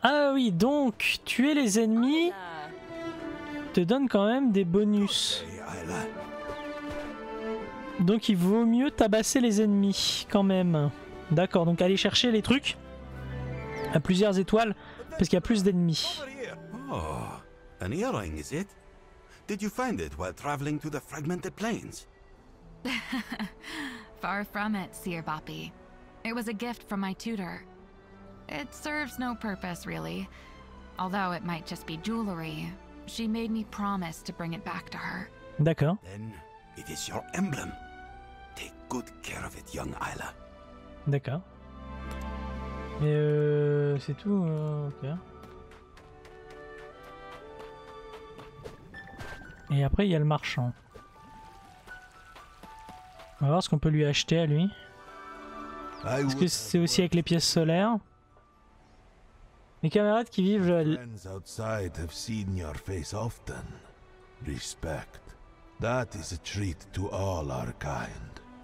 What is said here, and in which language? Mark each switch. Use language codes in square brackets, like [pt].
[fr] Ah oui, donc tuer les ennemis te donne quand même des bonus. Donc il vaut mieux tabasser les ennemis quand même. D'accord. Donc aller chercher les trucs à plusieurs étoiles parce qu'il y a plus d'ennemis. [en] Oh, an earring, is it? Did you find it while traveling to the fragmented plains? Far from it, Seer Bappi. It was a gift from my tutor. It serves no purpose, really. Although it might just be jewelry, she made me promise to bring it back to her. [fr] D'accord. [en] Then it is your emblem. Take good care of it, young Isla. [fr] D'accord. Mais c'est tout, ok. Et après, il y a le marchand. On va voir ce qu'on peut lui acheter à lui. Est-ce que c'est aussi avec les pièces solaires? Mes camarades qui vivent... Mes [en] amis outside have seen your face often. Respect. That is a treat to all our kind.